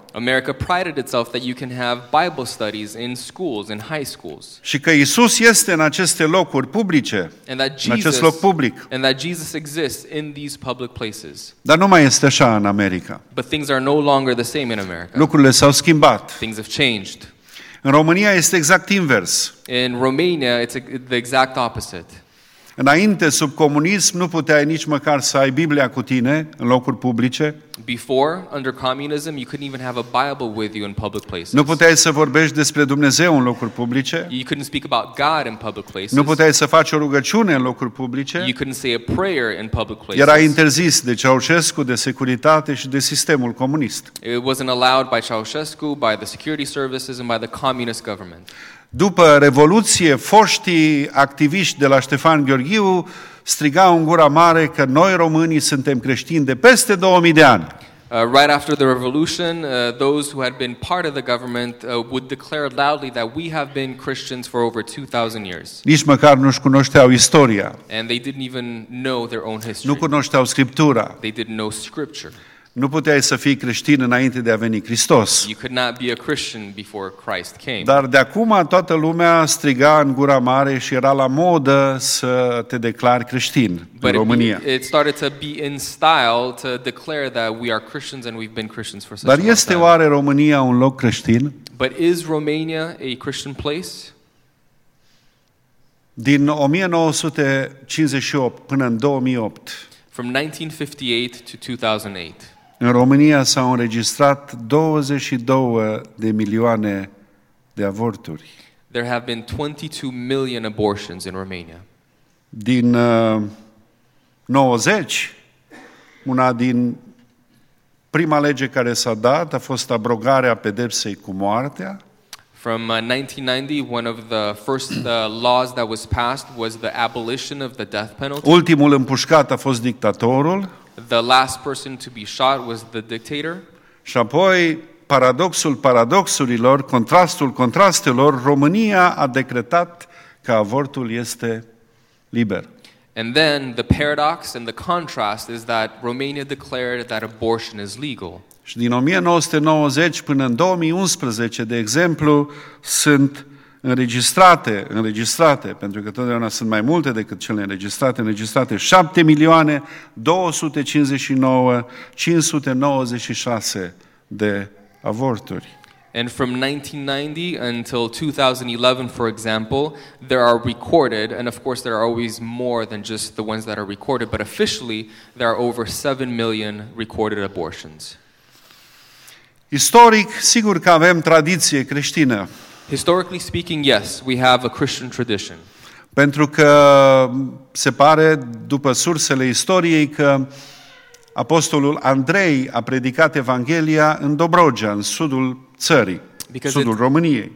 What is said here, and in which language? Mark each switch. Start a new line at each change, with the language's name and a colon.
English: America prided itself that you can have Bible studies in schools, in high schools.
Romanian: Și că Isus este în aceste locuri publice.
English: And that Jesus,
Romanian: în acest loc public.
English: And that Jesus exists in these public places.
Romanian: Dar nu mai este așa în America.
English: But things are no longer the same in America.
Romanian: Lucrurile s-au schimbat.
English: Things have changed.
Romanian: În România este exact invers.
English: In Romania, it's the exact opposite.
Romanian: Înainte, sub comunism, nu puteai nici măcar să ai Biblia cu tine în locuri publice.
English: Before, under communism, you couldn't even have a Bible with you in public places.
Romanian: Nu puteai să vorbești despre Dumnezeu în locuri publice.
English: You couldn't speak about God in public places.
Romanian: Nu puteai să faci o rugăciune în locuri publice.
English: You couldn't say a prayer in public places.
Romanian: Era interzis de Ceaușescu, de securitate și de sistemul comunist.
English: It wasn't allowed by Ceaușescu, by the security services and by the communist government.
Romanian: După Revoluție, foștii activiști de la Ștefan Gheorghiu strigau în gura mare că noi românii suntem creștini de peste 2000 de ani.
English: Right after the revolution, those who had been part of the government would declare loudly that we have been Christians for over 2000 years.
Romanian: Nici măcar nu-și cunoșteau istoria.
English: And they didn't even know their own history.
Romanian: Nu cunoșteau Scriptura.
English: They didn't know Scripture.
Romanian: Nu puteai să fii creștin înainte de a veni Hristos.
English: You could not be a Christian before Christ came.
Romanian: Dar de acum toată lumea striga în gura mare și era la modă să te declari creștin
English: But
Romanian: în România.
English: It started to be in style to declare that we are Christians and we've been Christians for such a long time.
Romanian: Dar este oare România un loc creștin?
English: But is Romania a Christian place?
Romanian: Din 1958 până în 2008.
English: From 1958 to 2008.
Romanian: În România s-au înregistrat 22 de milioane de avorturi.
English: There have been 22 million abortions in Romania.
Romanian: Din 90, una din prima lege care s-a dat a fost abrogarea pedepsei cu moartea.
English: From 1990, one of the first laws that was passed was the abolition of the death penalty.
Romanian: Ultimul împușcat a fost dictatorul.
English: The last person to be shot was the dictator.
Romanian: Și apoi, paradoxul paradoxurilor, contrastul contrastelor, România a decretat că avortul este liber.
English: And then the paradox and the contrast is that Romania declared that abortion is legal.
Romanian: Și din 1990 până în 2011, de exemplu, sunt înregistrate, pentru că totdeauna sunt mai multe decât cele înregistrate, 7.259.596 de avorturi.
English: And from 1990 until 2011, for example, there are recorded, and of course there are always more than just the ones that are recorded, but officially there are over 7 million recorded abortions.
Romanian: Istoric, sigur că avem tradiție creștină.
English: Historically speaking, yes, we have a Christian tradition.
Romanian: Pentru că se pare, după sursele istoriei, că apostolul Andrei a predicat Evanghelia în Dobrogea, în sudul țării, sudul României.